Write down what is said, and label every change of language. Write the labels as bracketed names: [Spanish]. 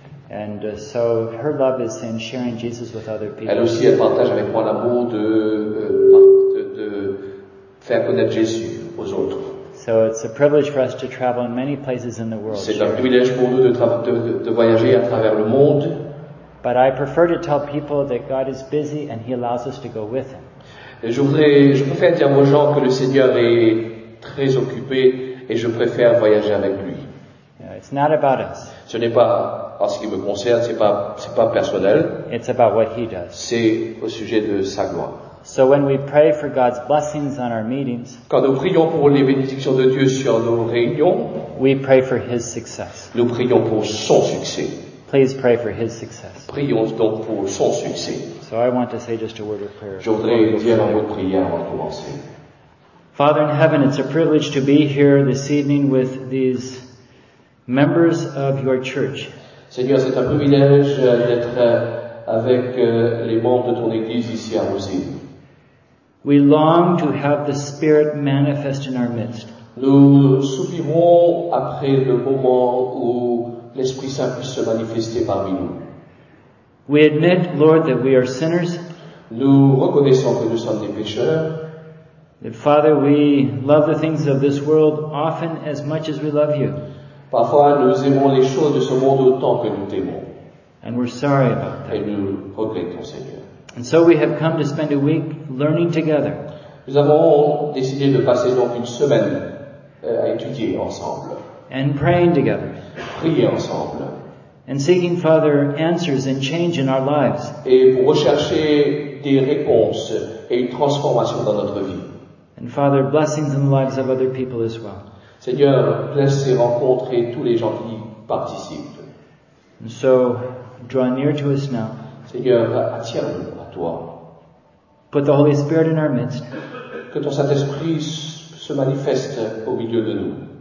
[English] And so her love is in sharing Jesus with other people. [French] Elle aussi, elle partage avec moi l'amour de faire connaître Jésus aux autres. [English] So it's a privilege for us to travel in many places in the world. [French] C'est un privilège pour nous de voyager à travers le monde. [English] But I prefer to tell people that God is busy and He allows us to go with Him. [French] Je préfère dire aux gens que le Seigneur est très occupé et je préfère voyager avec lui. [English] It's not about us. [French] Ce n'est pas en ce qui me concerne, c'est pas personnel. [English] It's about what He does. [French] C'est au sujet de sa gloire. [English] So when we pray for God's blessings on our meetings, [French] quand nous prions pour les bénédictions de Dieu sur nos réunions, [English] we pray for his success. [French] Nous prions pour son succès. [English] Please pray for his success. [French] Prions donc pour son succès. [English] So I want to say just a word of prayer. [French] Je voudrais dire un mot de prière avant de commencer. [English] Father in heaven, it's a privilege to be here this evening with these members of your church. [French] Seigneur, c'est un privilège d'être avec les membres de ton église ici à Rosine. [English] We long to have the Spirit manifest in our midst. [French] Nous soupirons après le moment où l'Esprit Saint puisse se manifester parmi nous. [English] We admit, Lord, that we are sinners. [French] Nous reconnaissons que nous sommes des pécheurs. [English] That, Father, we love the things of this world often as much as we love you. [French] Parfois, nous aimons les choses de ce monde autant que nous t'aimons. [English] And we're sorry about that. [French] Et nous regrettons, Seigneur. [English] And so we have come to spend a week learning together. [French] Nous avons décidé de passer donc une semaine à étudier ensemble. [English] And praying together. [French] Prier ensemble. [English] And seeking, Father, answers and change in our lives. [French] Et pour rechercher des réponses et une transformation dans notre vie. [English] And Father, blessings in the lives of other people as well. [French] Seigneur, [English] bless [French] et rencontre tous les gens qui y participent. [English] And so, draw near to us now. [French] Seigneur, attire-nous à toi. [English] Put the Holy Spirit in our midst. [French] Que ton Saint-Esprit se manifeste au milieu de nous.